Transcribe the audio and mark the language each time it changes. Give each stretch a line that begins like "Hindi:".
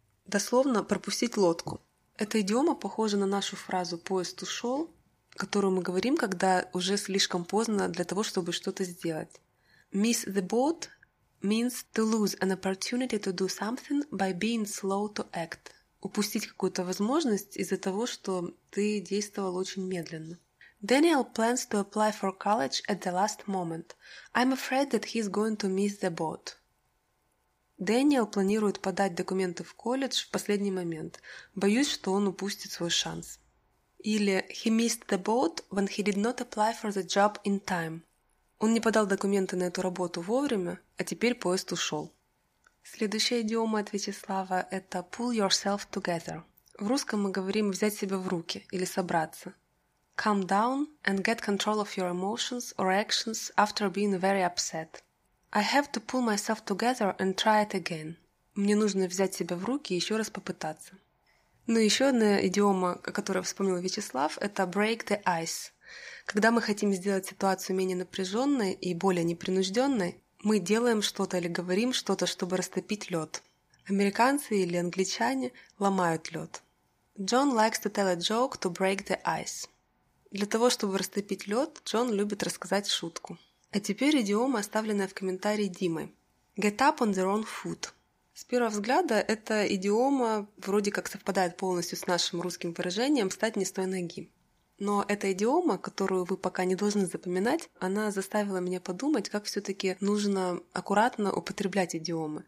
Russian: Дословно «пропустить лодку». Эта идиома похожа на нашу фразу «поезд ушел», которую мы говорим, когда уже слишком поздно для того, чтобы что-то сделать.
English: Miss the boat means to lose an opportunity to do something by being slow to act.
Russian: Упустить какую-то возможность из-за того, что ты действовал очень медленно.
English: Daniel plans to apply for college at the last moment. I'm afraid that he's going to miss the boat.
Russian: Дэниел планирует подать документы в колледж в последний момент. Боюсь, что он упустит свой шанс. Или
English: he missed the boat when he did not apply for the job in time.
Russian: Он не подал документы на эту работу вовремя, а теперь поезд ушел. Следующая идиома от Вячеслава – это
English: pull yourself together.
Russian: В русском мы говорим взять себя в руки или собраться.
English: Calm down and get control of your emotions or actions after being very upset. I have to pull myself together and try it again.
Russian: Мне нужно взять себя в руки и еще раз попытаться. Ну и еще одна идиома, о которой вспомнил Вячеслав, это
English: break the ice.
Russian: Когда мы хотим сделать ситуацию менее напряженной и более непринужденной, мы делаем что-то или говорим что-то, чтобы растопить лед. Американцы или англичане ломают лед.
English: John likes to tell a joke to break the ice.
Russian: Для того, чтобы растопить лед, Джон любит рассказать шутку. А теперь идиома, оставленная в комментарии Димы.
English: Get up on the wrong foot.
Russian: С первого взгляда эта идиома вроде как совпадает полностью с нашим русским выражением «стать не с той ноги». Но эта идиома, которую вы пока не должны запоминать, она заставила меня подумать, как все-таки нужно аккуратно употреблять идиомы.